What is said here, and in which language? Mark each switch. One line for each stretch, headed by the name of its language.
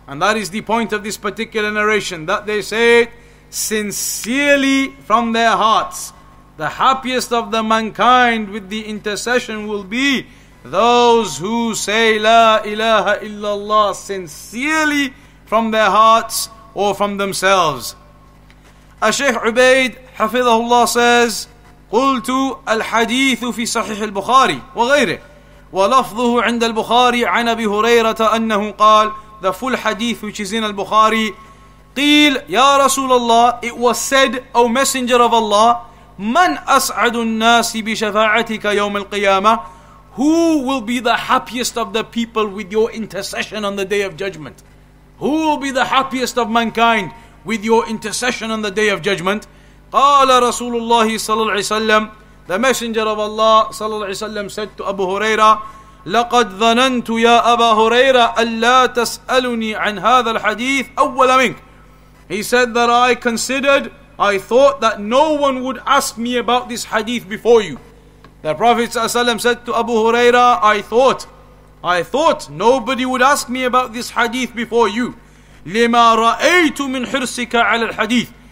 English: And that is the point of this particular narration, that they say it sincerely from their hearts. The happiest of the mankind with the intercession will be those who say La ilaha illallah sincerely from their hearts or from themselves. Shaykh Ubayd, hafidhahullah, says,
Arabic: قُلْتُ الْحَدِيثُ فِي صَحِحِ الْبُخَارِ وَغَيْرِهِ وَلَفْظُهُ عِنْدَ الْبُخَارِ عَنْ أَبِي هُرَيْرَةَ أَنَّهُ قَالَ.
English: The full hadith which is in al-Bukhari.
Arabic: قِيلْ يَا رَسُولَ اللَّهِ.
English: It was said, O Messenger of Allah,
Arabic: مَنْ أَسْعَدُ النَّاسِ بِشَفَاعَتِكَ يَوْمِ الْقِيَامَةِ.
English: Who will be the happiest of the people with your intercession on the Day of Judgment? Who will be the happiest of mankind with your intercession on the Day of Judgment?
Arabic: قَالَ رَسُولُ اللَّهِ صَلَى اللَّهِ عَلَيْهِ.
English: The Messenger of Allah صلى الله عليه وسلم said to Abu Huraira,
Arabic: لَقَدْ ظَنَنْتُ يَا أَبَا هُرَيْرَ أَلَّا تَسْأَلُنِي عَنْ هَذَا الْحَدِيثِ أَوَّلَ مِنْكَ.
English: He said that I thought that no one would ask me about this hadith before you. The Prophet ﷺ said to Abu Huraira, I thought nobody would ask me about this hadith before you.
Arabic: لِمَا رَأَيْتُ مِنْ حِرْسِكَ عَلَى الْحَدِيثِ.